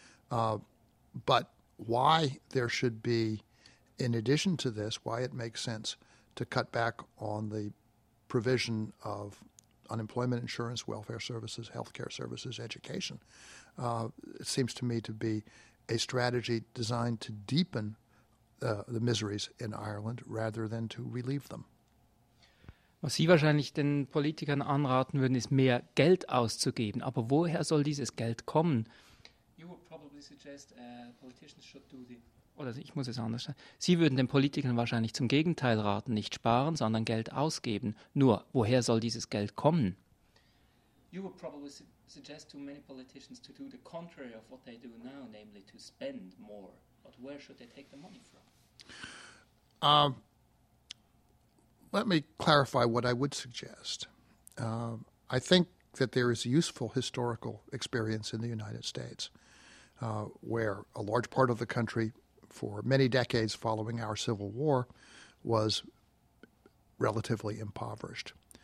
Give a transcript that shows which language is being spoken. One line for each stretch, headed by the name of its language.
English: But why there should be, in addition to this, why it makes sense to cut back on the provision of unemployment insurance, welfare services, healthcare services, education, it seems to me to be a strategy designed to deepen the miseries in Ireland rather than to relieve them.
German: Was Sie wahrscheinlich den Politikern anraten würden, ist mehr Geld auszugeben. Aber woher soll dieses Geld kommen?
English: You would probably suggest politicians should do the...
German: Oder ich muss es anders sagen. Sie würden den Politikern wahrscheinlich zum Gegenteil raten, nicht sparen, sondern Geld ausgeben. Nur, woher soll dieses Geld kommen?
English: You would probably suggest to many politicians to do the contrary of what they do now, namely to spend more. But where should they take the money from? Let me clarify what I would suggest. I think that there is useful historical experience in the United States where a large part of the country for many decades following our Civil War was relatively impoverished.